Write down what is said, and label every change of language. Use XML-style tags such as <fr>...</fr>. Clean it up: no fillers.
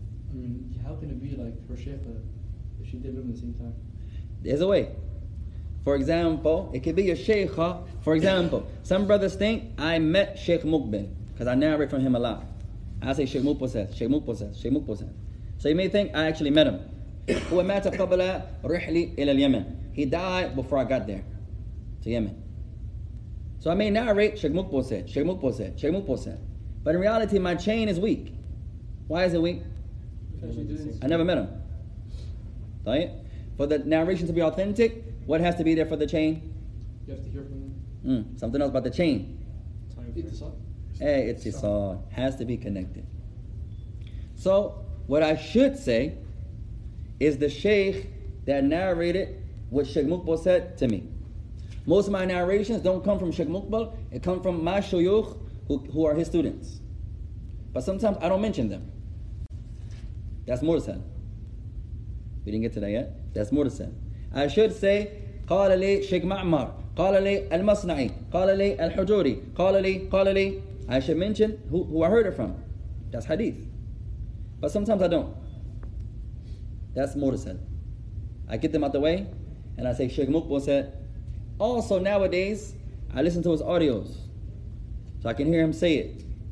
<en>I mean, how can it be like her sheikha if she did live in the same time? There's a way. For example, it could be your sheikha. For example, some brothers think, I met Sheikh Mukbin, because I narrate from him a lot. I say, Sheikh Mukbin says, Sheikh Mukbin says, Sheikh Mukbin says. So you may think, I actually met him.</en> <ar>هو مات قبل رحلي إلى اليمن.</ar> <en>He died before I got there to Yemen. So I may narrate, Sheikh Mukbin said, Sheikh Mukbin said, Sheikh Mukbin said. But in reality, my chain is weak. Why is it weak? I never met him. طيب. For the narration to be authentic, what has to be there for the chain? You have to hear from them. Something else about the chain. It's Isar. Has to be connected. So, what I should say is the sheikh that narrated what Sheikh Mukbal said to me. Most of my narrations don't come from Sheikh Mukbal. It comes from my shuyukh who are his students. But sometimes I don't mention them. That's mursal. We didn't get to that yet. That's mursal. I should say,</en> <ar>قال لي شيخ معمر, قال لي المصنعي, قال لي الحجوري, قال لي.</ar> <en>I should mention who I heard it from. That's hadith. But sometimes I don't. That's mursal. I get them out the way, and I say, Sheikh Mukbo said. Also nowadays, I listen to his audios, so I can hear him say it.</en>